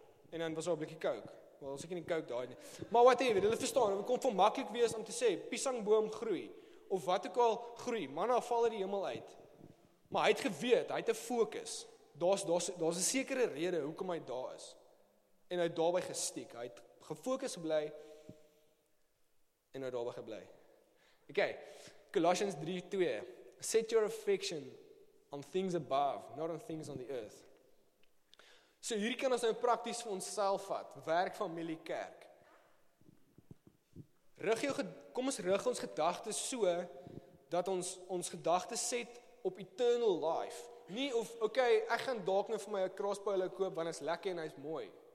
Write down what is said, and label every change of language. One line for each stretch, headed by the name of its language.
Afrikaans: En dan was daar 'n blikkie coke. Wel, seker nie coke daai nie. Maar whatever, hulle verstaan, dit kon vir hom maklik wees om te sê, piesangboom groei, of wat ook al groei, manna val uit die hemel uit. Maar hy het geweet, hy het 'n fokus. Daar's 'n sekere rede hoekom hy daar is. En hy het daarby gestiek. Hy het gefokus gebly en hy het daarby gebly.
English: Okay, Colossians 3:2. Set your affection on things above, not on things on the earth.
Afrikaans: So hierdie kan ons nou prakties vir onsself vat. Werk, familie, kerk. Kom ons rig ons gedagtes so dat ons gedagtes set op
English: eternal life.
Afrikaans: Nie of, okay, ek gaan dalk nou vir my 'n crossbowler koop, want is lekker en hy's mooi.